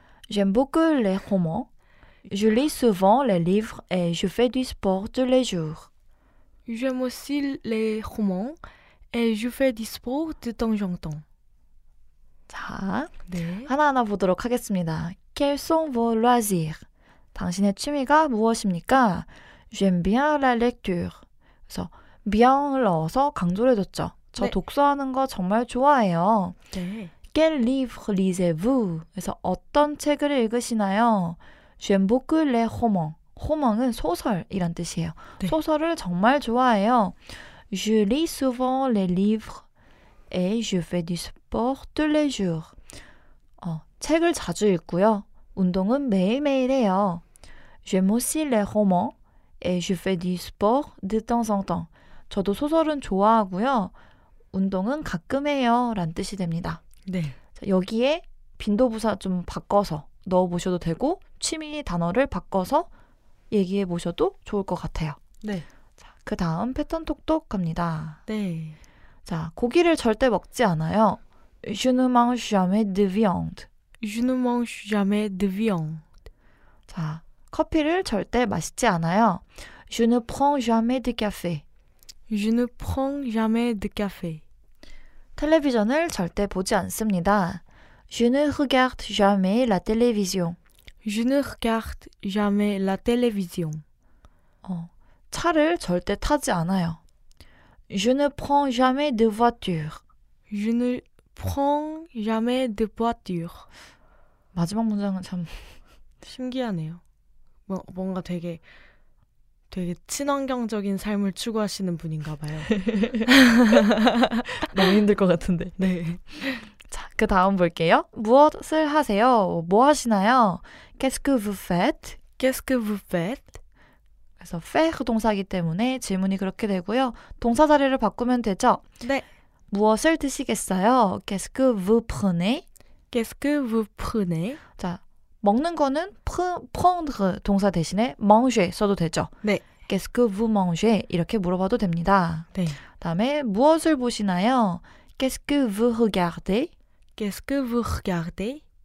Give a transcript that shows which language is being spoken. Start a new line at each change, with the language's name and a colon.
French: J'aime beaucoup les romans. Je lis souvent les livres et je fais du sport tous les jours. J'aime aussi les romans et je fais du sport de temps en temps.
Korean: 자, 하나하나 보도록 하겠습니다.
French: Quels sont vos loisirs?
Korean: 당신의 취미가 무엇입니까?
French: J'aime bien la lecture.
Korean: 그래서 bien을 넣어서 강조를 해줬죠. 저 네. 독서하는 거 정말 좋아해요. 네.
French: Quel livre lisez-vous?
Korean: 그래서 어떤 책을 읽으시나요?
French: J'aime beaucoup les romans.
Korean: 호망은 소설이란 뜻이에요. 네. 소설을 정말 좋아해요.
French: Je lis souvent les livres et je fais du sport tous les jours.
Korean: 책을 자주 읽고요. 운동은 매일매일 해요.
French: J'aime aussi les romans et je fais du sport de temps en temps.
Korean: 저도 소설은 좋아하고요. 운동은 가끔 해요. 란 뜻이 됩니다. 네. 자, 여기에 빈도부사 좀 바꿔서 넣어보셔도 되고 취미 단어를 바꿔서 얘기해 보셔도 좋을 것 같아요. 네. 자, 그 다음 패턴 톡톡 갑니다. 네. 자, 고기를 절대 먹지 않아요.
French: Je ne mange jamais de viande. Je ne mange jamais de viande.
Korean: 자, 커피를 절대 마시지 않아요.
French: Je ne prends jamais de café. Je ne prends jamais de café.
Korean: 텔레비전을 절대 보지 않습니다.
French: Je ne regarde jamais la télévision. Je ne regarde jamais la télévision.
Korean: 차를 절대 타지 않아요.
French: Je ne prends jamais de voiture. Je ne prends jamais de voiture.
Korean: 마지막 문장은 참 신기하네요. 뭔가 되게 친환경적인 삶을 추구하시는 분인가 봐요. 너무 힘들 것 같은데. 네. 그 다음 볼게요. 무엇을 하세요? 뭐 하시나요?
French: Qu'est-ce que vous faites? Qu'est-ce que vous faites?
Korean: 그래서 faire 동사이기 때문에 질문이 그렇게 되고요. 동사 자리를 바꾸면 되죠? 네. 무엇을 드시겠어요?
French: Qu'est-ce que vous prenez? Qu'est-ce que vous prenez?
Korean: 자, 먹는 거는 prendre 동사 대신에 manger 써도 되죠? 네.
French: Qu'est-ce que vous mangez?
Korean: 이렇게 물어봐도 됩니다. 네. 다음에 무엇을 보시나요?
French: Qu'est-ce que vous regardez? Qu'est-ce que vous regardez?